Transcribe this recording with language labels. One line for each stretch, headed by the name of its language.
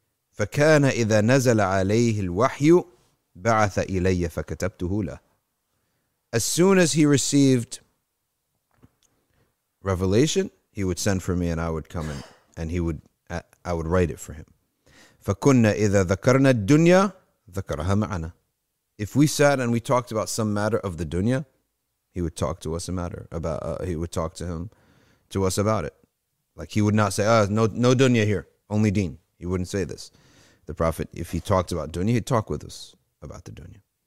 Arabic: فكان إذا نزل عليه الوحي بعث إلي فكتبته له.
English: As soon as he received revelation, he would send for me and I would come and he would I would write it for him.
Arabic: فكنا إذا ذكرنا الدنيا ذكرها معنا.
English: If we sat and we talked about some matter of the dunya, he would talk to us about it. Like he would not say, no dunya here, only deen. He wouldn't say this. The Prophet, if he talked about dunya, he'd talk with us about the dunya.